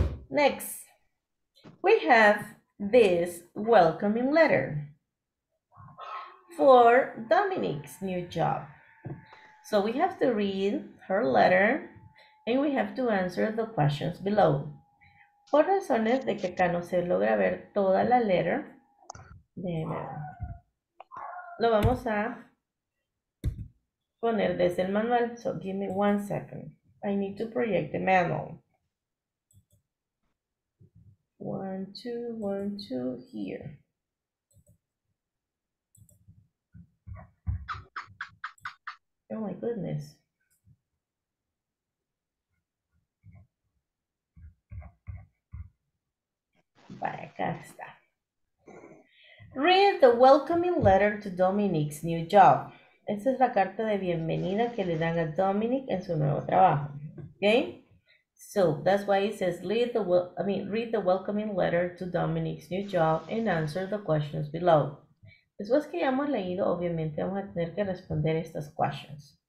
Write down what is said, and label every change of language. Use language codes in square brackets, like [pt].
[en] Next, we have this welcoming letter for Dominique's new job. So we have to read her letter and we have to answer the questions below. [es] Por razones de que acá no se logra ver toda la letter, lo vamos a poner desde el manual. [en] So give me 1 second. I need to project the manual. 1, 2, 1, 2, here. Oh my goodness. [es] Vaya, acá está. [en] Read the welcoming letter to Dominique's new job. [es] Esta es la carta de bienvenida que le dan a Dominique en su nuevo trabajo. [en] Okay? So, that's why it says read the welcoming letter to Dominique's new job and answer the questions below. [es] Después que ya hemos leído, obviamente vamos a tener que responder estas questions.